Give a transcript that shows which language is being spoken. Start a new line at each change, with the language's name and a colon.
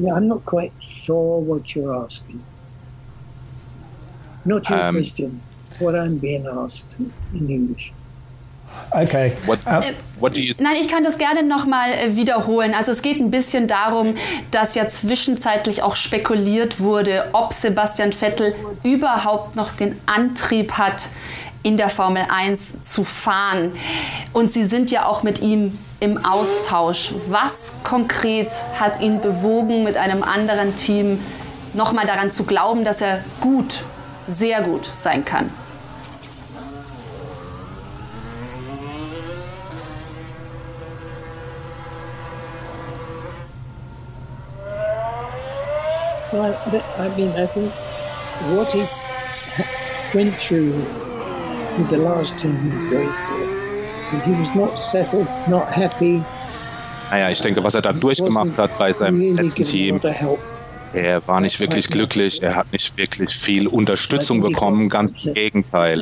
English: Yeah, I'm not quite sure what you're asking. Not your question. What I'm being asked in English. Okay.
German: Nein, ich kann das gerne nochmal wiederholen. Also es geht ein bisschen darum, dass ja zwischenzeitlich auch spekuliert wurde, ob Sebastian Vettel überhaupt noch den Antrieb hat, in der Formel 1 zu fahren. Und Sie sind ja auch mit ihm im Austausch. Was konkret hat ihn bewogen, mit einem anderen Team nochmal daran zu glauben, dass er gut, sehr gut sein kann?
English: I think what he went through with the last team he played for, he was not settled, not happy.
German: Naja, ich denke, was er da durchgemacht hat bei seinem letzten Team, er war nicht wirklich glücklich, er hat nicht wirklich viel Unterstützung bekommen, ganz im Gegenteil.